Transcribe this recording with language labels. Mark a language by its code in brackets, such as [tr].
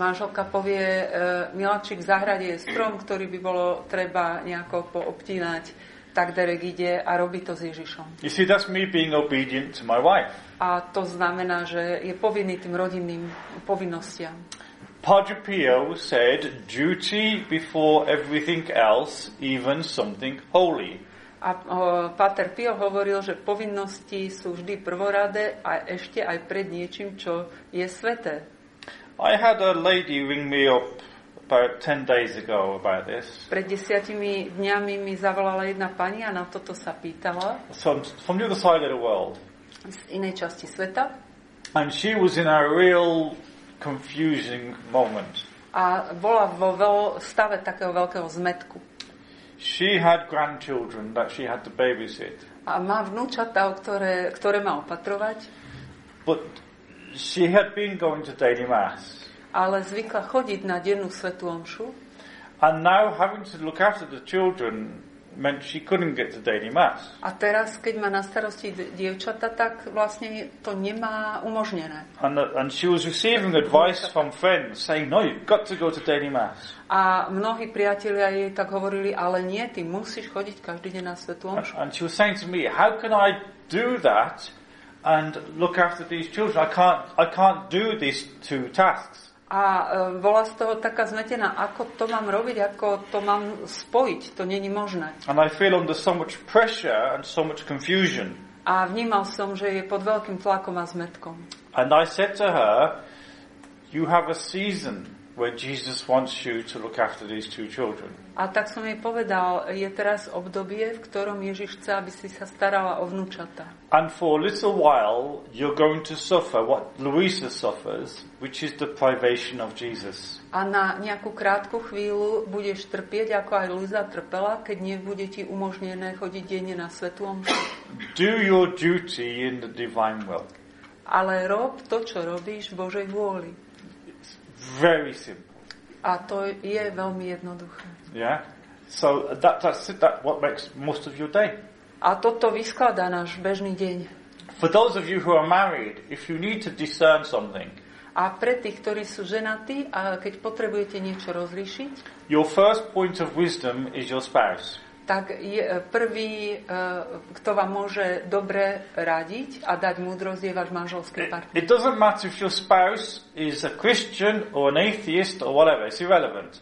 [sk] Manželka povie, miláčik, v záhrade je strom, ktorý by bolo treba nejako poobtínať, tak Derek ide a robí to s Ježišom. [en] You see, that's me being obedient to my wife. [sk] A to znamená, že je povinný tým rodinným povinnostiam. [en] Padre Pio said, duty before everything else, even something holy. [sk] A Pater Pio hovoril, že povinnosti sú vždy prvoradé a ešte aj pred niečím, čo je sveté. [en] I had a lady ring me up about 10 days ago about this. [sk] Pred 10 dňami mi zavolala jedna pani a na toto sa pýtala. [en] From the other side of the world. [sk] Z inej časti sveta. [en] And she was in a real confusing moment. [sk] A bola vo stave takého veľkého zmetku. [en] She had grandchildren that she had to babysit. [sk] A má vnúčatá, ktoré má opatrovať. [en] But she had been going to daily mass. [sk] Ale zvykla chodiť na dennú svätú omšu. [en] And now having to look after the children meant she couldn't get to daily mass. [sk] A teraz, keď má na starosti dievčata, tak vlastne to nemá umožnené. [en] And she was receiving advice from friends saying, no, you've got to go to daily mass. [sk] A mnohí priatelia jej tak hovorili, ale nie, ty musíš chodiť každý deň na svätú omšu. [en] And she was saying to me, how can I do that and look after these children? I can't do these two tasks. [sk] A bola z toho taká zmetená, ako to mám robiť, ako to mám spojiť, to není možné. [en] And I feel under so much pressure and so much confusion. [sk] A vnímal som, že je pod veľkým tlakom a zmetkom. [en] And I said to her, you have a season where Jesus wants you to look after these two children. [sk] A tak som jej povedal, je teraz obdobie, v ktorom Ježiš chce, aby si sa starala o vnúčata. [en] And for a little while you're going to suffer what Louisa suffers, which is the privation of Jesus. [sk] A na nejakú krátku chvíľu budeš trpieť, ako aj Louisa trpela, keď nebude ti umožnené chodiť denne na svätú omšu. [en] Do your duty in the divine will. [sk] Ale rob to, čo robíš v Božej vôli. [en] Very simple. [sk] A to je veľmi jednoduché. [en] Yeah. So that what makes most of your day. [sk] A toto vyskladá náš bežný deň. [en] For those of you who are married, if you need to discern something. [sk] A pre tých, ktorí sú ženatí, a keď potrebujete niečo rozlíšiť. [en] Your first point of wisdom is your spouse. [sk] Tak je prvý, kto vám môže dobre radiť a dať múdrosť, je váš manželský partner. [en] It doesn't matter if your spouse is a Christian or an atheist or whatever, it's irrelevant.